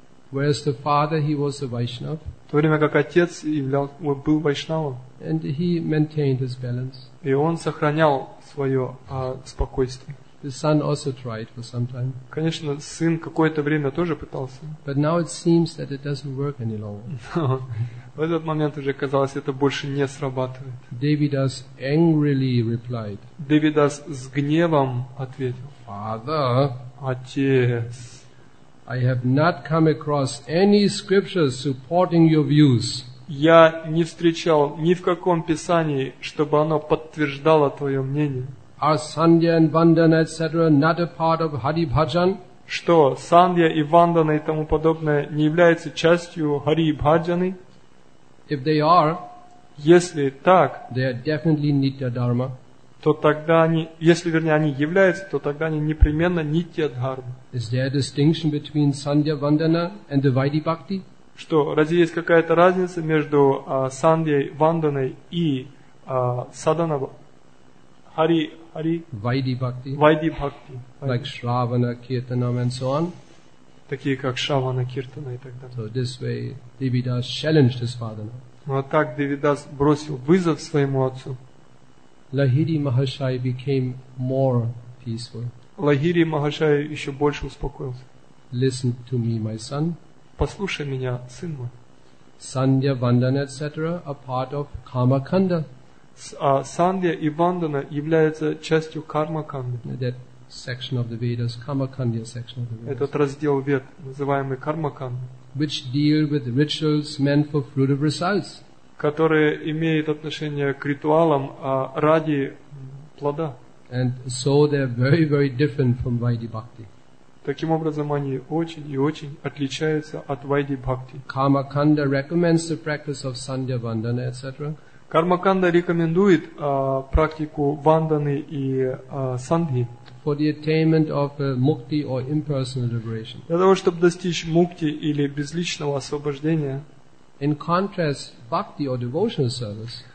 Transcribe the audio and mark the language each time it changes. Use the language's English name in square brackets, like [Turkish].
[English] Whereas the father, he was a Vaishnava. [Russian] В то время как отец был вайшнавом. [English] And he maintained his balance. [Russian] И он сохранял свое спокойствие. [English] The son also tried for some time. [Russian] Конечно, сын какое-то время тоже пытался. [English] But now it seems that it doesn't work any longer. [Russian] В этот момент уже казалось, это больше не срабатывает. [English] Devidas angrily replied. [Russian] Devidas с гневом ответил. [English] Father, [Russian] отец, [English] I have not come across any scriptures supporting your views. [Russian] Я не встречал ни в каком писании, чтобы оно подтверждало твое мнение. [English] Are Sandhya and Vandana, etc., not a part of Hari Bhajan? [Russian] Что Сандья и Вандана и тому подобное не являются частью Хари Бхаджаны? [English] If they are, [Russian] если так, [English] they are definitely Nitya Dharma. [Russian] То тогда они, если вернее они являются, то тогда они непременно Нитья Дхарма. [English] Is there a distinction between Sandhya Vandana and the Vaidhi Bhakti? [Russian] Что разве есть какая-то разница между Сандьей, Ванданой и Саданабхакти? [English] Hari Vaidhi Bhakti. Vaidhi Bhakti. Like Shravana, Kirtanam and so on. [Russian] Такие как Шравана, Киртана и так далее. [English] So this way Devidas challenged his father. [Russian] Вот так Девидас бросил вызов своему отцу. [English] Lahiri Mahashai became more peaceful. [Russian] Lahiri Mahashai еще больше успокоился. [English] Listen to me, my son. [Russian] Послушай меня, сын мой. [English] Sandhya, Vandana, etc. are part of Karma Kanda. [Russian] Сандья и Вандана являются частью Карма Канды. [English] That section of the Vedas, Karma Kandya section of the Vedas. [Russian] Этот раздел Вед, называемый Карма Канды. [English] Which deal with rituals meant for fruitive results. [Russian] Которые имеют отношение к ритуалам ради плода. [English] And so they're very, very different from Vaidhi Bhakti. [Russian] Таким образом, они очень и очень отличаются от Vaidhi Bhakti. [English] Karmakanda recommends the practice of Sandhya Vandana, etc. [Russian] Karmakanda рекомендует практику Ванданы и Сандхи. [English] For the attainment of Mukti or impersonal liberation. [Russian] Для того, чтобы достичь Мукти или безличного освобождения. [English] In contrast, Bhakti or devotional service.